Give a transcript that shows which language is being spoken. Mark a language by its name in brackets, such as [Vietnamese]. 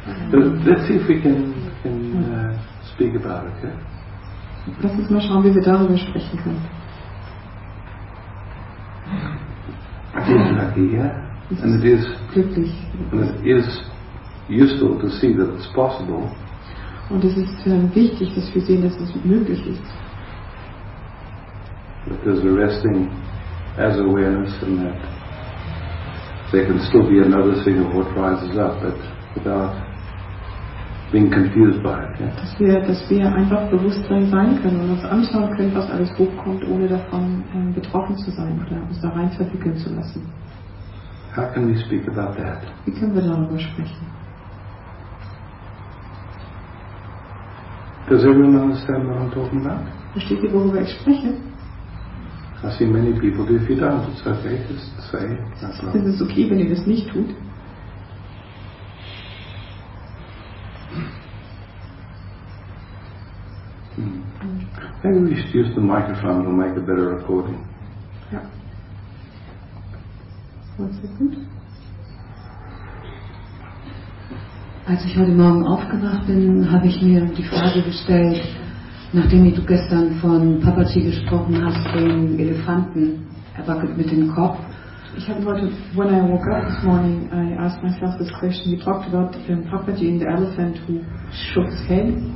[English] Let's see if we can speak about it, okay? [German] Lass uns mal schauen, wie wir darüber sprechen können. [English] It's lucky, yeah? And it is useful to see that it's possible. [German] Und es ist wichtig, dass wir sehen, dass es möglich ist. [English] That there's a resting as awareness and that there can still be another thing of what rises up, but without being confused by it, yeah? [German] Dass wir einfach Bewusstsein sein können und uns anschauen können, was alles hochkommt, ohne davon betroffen zu sein oder uns da rein verwickeln zu lassen. [English] How can we speak about that? [German] Wie können wir darüber sprechen? [English] Does everyone understand what I'm talking about? [German] Versteht ihr, worüber ich spreche? [English] I see many people do. If you don't, it's okay. Just say. [German] Ist es okay, wenn ihr das nicht tut? [English] Maybe we should use the microphone to make a better recording. [German] Ja. [English] One second. [German] Als ich heute Morgen aufgewacht bin, habe ich mir die Frage gestellt, nachdem du gestern von Papaji gesprochen hast, den Elefanten, er wackelt mit dem Kopf. Ich habe heute, [English] when I woke up this morning, I asked myself this question. You talked about Papaji and the elephant who shook his head.